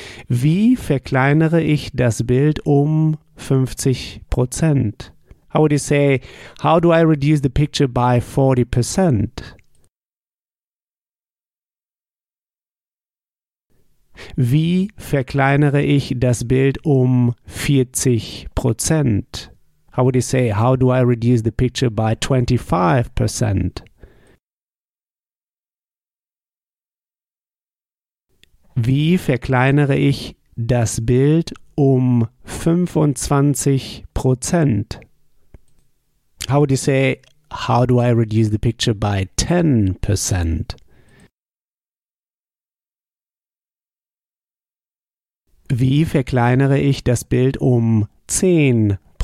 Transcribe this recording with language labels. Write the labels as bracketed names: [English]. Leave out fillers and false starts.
[German] Wie verkleinere ich das Bild um 50%? [English] How would you say, how do I reduce the picture by 40%? [German] Wie verkleinere ich das Bild um 40%? [English] How would you say, how do I reduce the picture by 25%? [German] Wie verkleinere ich das Bild um 25%? [English] How would you say, how do I reduce the picture by 10%? [German] Wie verkleinere ich das Bild um 10%?